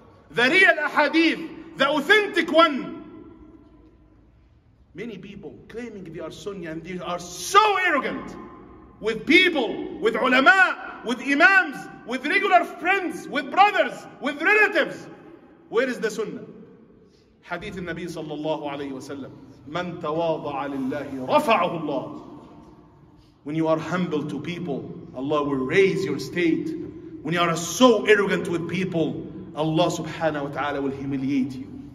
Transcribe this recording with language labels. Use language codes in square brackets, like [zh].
[en] The real hadith, the authentic one. Many people claiming they are Sunni and they are so arrogant with people, with ulama, with imams, with regular friends, with brothers, with relatives. Where is the sunnah? [ar] حديث النبي صلى الله عليه وسلم, من تواضع لله رفعه الله. [en] When you are humble to people, Allah will raise your state. When you are so arrogant with people, Allah subhanahu wa ta'ala will humiliate you.